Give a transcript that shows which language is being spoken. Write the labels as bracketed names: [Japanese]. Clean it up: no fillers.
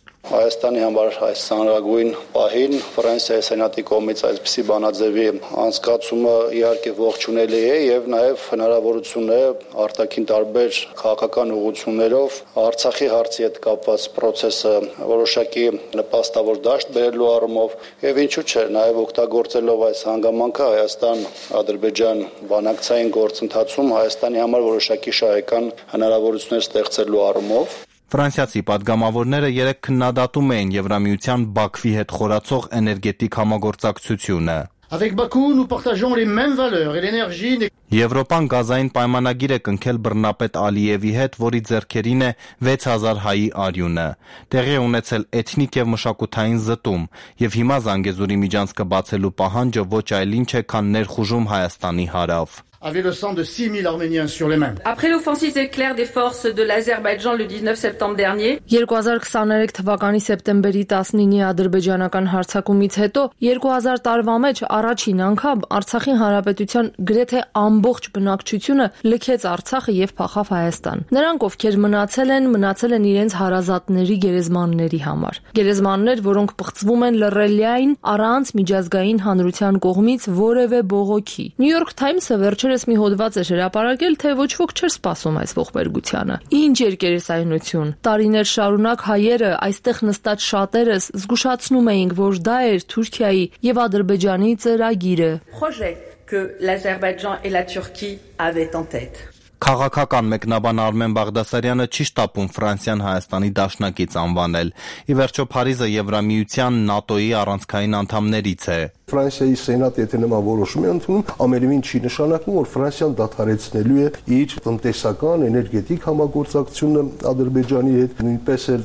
[Armenian] Հայաստանի համար այս ցանրագույն պահին Ֆրանսիայի Սենատի կողմից այսպիսի բանաձևի անցկացումը իհարկե ողջունելի է եւ նաեւ հնարավորություն է արտաքին տարբեր քաղաքական ուղղություններով Արցախի հարցի հետ կապված պրոցեսը որոշակի նպաստավոր դաշտ բերելու առումով եւ ինչու չէ նաեւ օգտագործելով այս հանգամանքը Հայաստան-Ադրբեջան բանակցային գործընթացում Հայաստանի համար որոշակի շահեկան հնարավորություններ ստեղծելու առումով։ Ֆրանսիացի պատգամավորները երեք քննադատում էին Եվրամիության Բաքվի հետ խորացող էներգետիկ համագործակցությունը։ [French] Avec Bakou nous partageons les mêmes valeurs et l'énergie. [Armenian] Եվրոպան գազային պայմանագիր է կնքել բռնապետ Ալիևի հետ, որի ձեռքերին է 6000 հայի արյունը։ Տեղի ունեցել էթնիկ եւ մշակութային զտում, եւ հիմա Զանգեզուրի միջանցքը բացելու պահանջը ոչ այլ ինչ է, քան ներխուժում Հայաստանի հարավ։ [French] Avec le sang de 6000 Arméniens sur les mains. Après l'offensive éclair des forces de l'Azerbaïdjan le 19 septembre dernier. [Armenian] 2023 թվականի սեպտեմբերի 19-ի ադրբեջանական հարձակումից հետո 2000 տարվա մեջ առաջին անգամ Արցախի հանրապետության գրեթե ամբողջ բնակչությունը լքեց Արցախը եւ փախավ Հայաստան։ Նրանք ովքեր մնացել են իրենց հարազատների գերեզմանների համար։ Գերեզմաններ, որոնք պղծվում են լռելիային առանց միջազգային հանրության կողմից որևէ բողոքի։ New York Times-ը վերջերս մի հոդված է հրապարակել, թե ոչ ոք չէր սպասում այս ողբերգությանը։ Ինչ երկերեսայնություն։ Տարիներ շարունակ հայերը այստեղ նստած շատերս զգուշացնում էինք, որ դա էր Թուրքիայի եւ Ադրբեջանի ծրագիրը։ [French] Que l'Azerbaïdjan et la Turquie avaient en tête. [Armenian] Քաղաքական մեկնաբան Արմեն Բաղդասարյանը չի շտապում Ֆրանսիան Հայաստանի դաշնակից անվանել։ Ի վերջո Փարիզը Եվրամիության ՆԱՏՕ-ի առանցքային անդամներից է։ Ֆրանսիայի Սենատը եթե նման որոշում է ընդունում, ամենևին չի նշանակում, որ Ֆրանսիան դադարեցնելու է իր տնտեսական, էներգետիկ համագործակցությունը Ադրբեջանի հետ, նույնպես